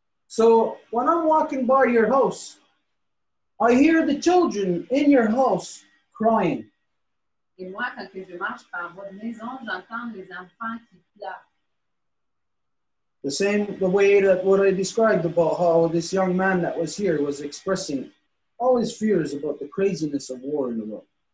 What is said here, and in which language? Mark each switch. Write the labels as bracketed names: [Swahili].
[English] So, when I'm walking by your house, I hear the children in your house crying. [French] Et moi, quand que je marche par votre maison, j'entends les enfants qui pleurent. [English] The same, the way that what I described about how this young man that was here was expressing it. All his fears about the craziness of war in the world.